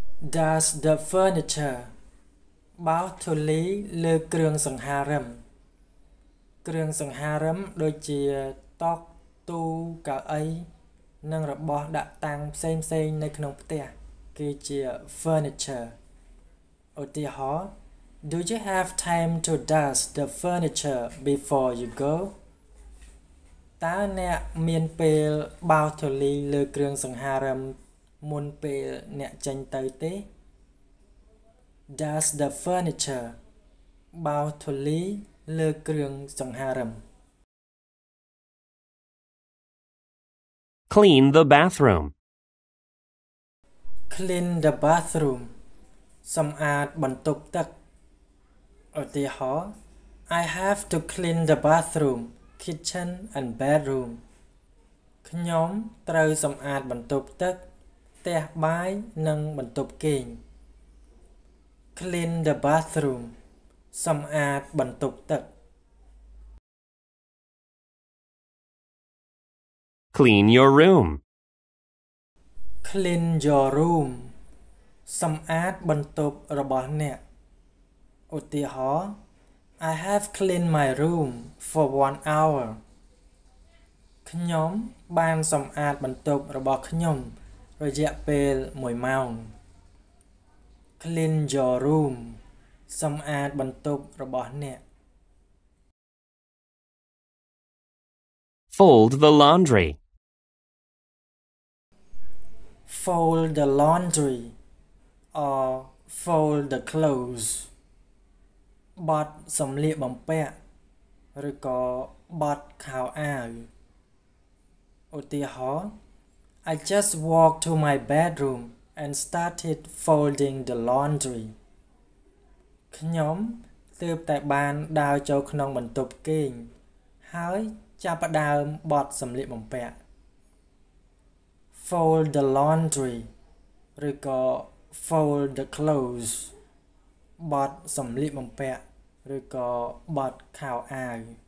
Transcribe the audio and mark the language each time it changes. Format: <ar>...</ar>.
<en>Dust the furniture.</en> <km>បោកធូលីលើគ្រឿងសង្ហារឹម គ្រឿងសង្ហារឹមដូចជាតុទូកៅអីនិងរបស់ដាក់តាំងផ្សេងៗនៅក្នុងផ្ទះគឺជា furniture. ឧទាហរណ៍</km> <en>Do you have time to dust the furniture before you go?</en> <km>តើអ្នកមានពេលបោកធូលីលើគ្រឿងសង្ហារឹមមុនពេលអ្នកចេញទៅទេ?</km> <en>Dust the furniture.</en> <km>បោកធូលីលើគ្រឿងសង្ហារឹម.</km> <en>Clean the bathroom. Clean the bathroom.</en> <km>សម្អាតបន្ទប់ទឹក. ឧទាហរណ៍</km> <en>I have to clean the bathroom. Kitchen and bedroom.</en> <km>ខ្ញុំត្រូវសម្អាតបន្ទប់ទឹកផ្ទះបាយនិងបន្ទប់គេង</km> <en>Clean the bathroom.</en> <km>សម្អាតបន្ទប់ទឹក</km> <en>Clean your room. Clean your room.</en> <km>សម្អាតបន្ទប់របស់អ្នកឧទាហរណ៍</km> <en>I have cleaned my room for 1 hour.</en> <km>ខ្ញុំបានសម្អាតបន្ទប់របស់ខ្ញុំរយៈពេល1 ម៉ោង.</km> <en>Clean your room.</en> <km>សម្អាតបន្ទប់របស់អ្នក.</km> <en>Fold the laundry. Fold the laundry or fold the clothes.</en> <km>បត់សំលៀកបំពាក់ឬក៏បត់ខោអាវឧទាហរណ៍</km> <en>I just walked to my bedroom and started folding the laundry</en> <km>ខ្ញុំទើបតែបានដើរចូលក្នុងបន្ទប់គេងហើយចាប់ផ្ដើមបត់សំលៀកបំពាក់</km> <en>fold the laundry</en> <km>ឬក៏</km> <en>fold the clothes</en> <km>បត់សំលៀកបំពាក់ឬក៏បត់ខោអាវ</km>